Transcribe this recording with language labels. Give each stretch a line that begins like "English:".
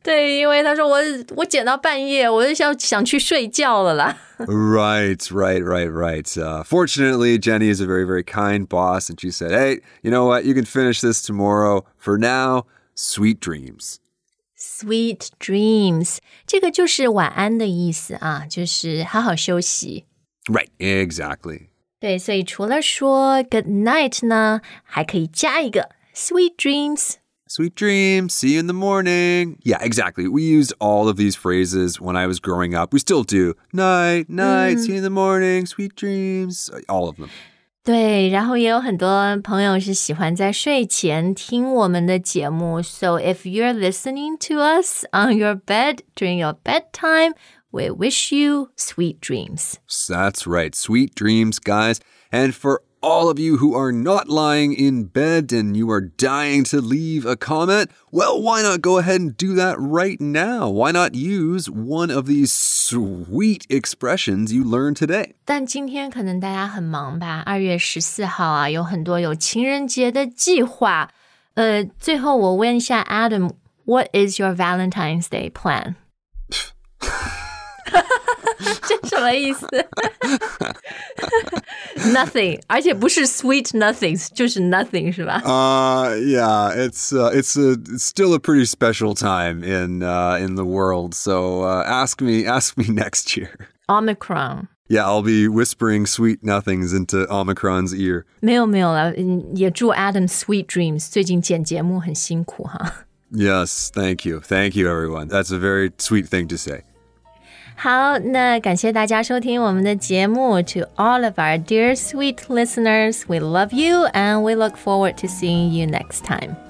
Chinese: 对，因为他说我剪到半夜，我就想去睡觉了啦。
English: Right, right, right, right. Fortunately, Jenny is a very, very kind boss, and she said, "Hey, you know what? You can finish this tomorrow. For now, sweet dreams."
Chinese: Sweet dreams, 这个就是晚安的意思啊，就是好好休息。
English: Right, exactly.
Chinese: 对，所以除了说 good night 呢，还可以加一个 sweet dreams.
English: Sweet dreams, see you in the morning. Yeah, exactly. We used all of these phrases when I was growing up. We still do. Night, night, see you in the morning, sweet dreams, all of them.
Chinese: 对，然后也有很多朋友是喜欢在睡前听我们的节目。
English: So if you're listening to us on your bed during your bedtime, we wish you sweet dreams. That's right, sweet dreams, guys. And for all of you who are not lying in bed and you are dying to leave a comment, well, why not go ahead and do that right now? Why not use one of these sweet expressions you learned today?
Chinese: 但今天可能大家很忙吧，二月十四号啊，有很多有情人节的计划。最后我问一下
English: Adam, what is your Valentine's Day plan?
Chinese: 这什么意思Nothing, 而且不是 sweet nothings, 就是 nothing, 是吧
English: Yeah, it's still a pretty special time in the world, so ask me next year. Omicron. Yeah, I'll be whispering sweet nothings into Omicron's ear.
Chinese: 没有没有了，也祝 Adam sweet dreams, 最近剪节目很辛苦哈。
English: Yes, thank you. Thank you, everyone. That's a very sweet thing to say.
Chinese: 好，那感谢大家收听我们的节目。
English: To all of our dear sweet listeners, we love you and we look forward to seeing you next time.